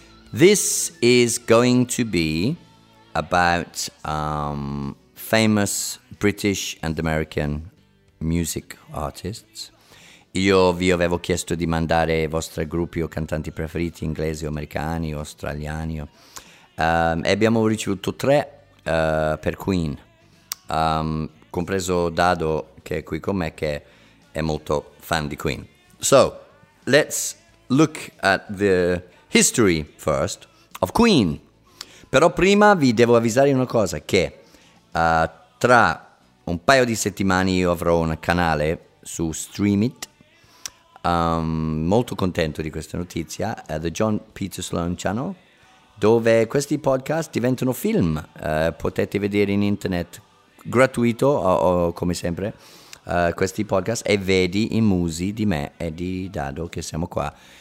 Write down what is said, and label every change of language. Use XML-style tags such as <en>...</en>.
<en>This is going to be about famous British and American music artists.</en> <it>Io vi avevo chiesto di mandare i vostri gruppi o cantanti preferiti, inglesi o americani o australiani. E abbiamo ricevuto tre per Queen, compreso Dado, che è qui con me, che è molto fan di Queen.</it> <en>So, let's look at the history first of Queen.</en> <it>Però prima vi devo avvisare una cosa, che tra un paio di settimane io avrò un canale su Streamit. Molto contento di questa notizia, the John Peter Sloan Channel, dove questi podcast diventano film, potete vedere in internet gratuito o come sempre questi podcast, e vedi i musi di me e di Dado, che siamo qua</it>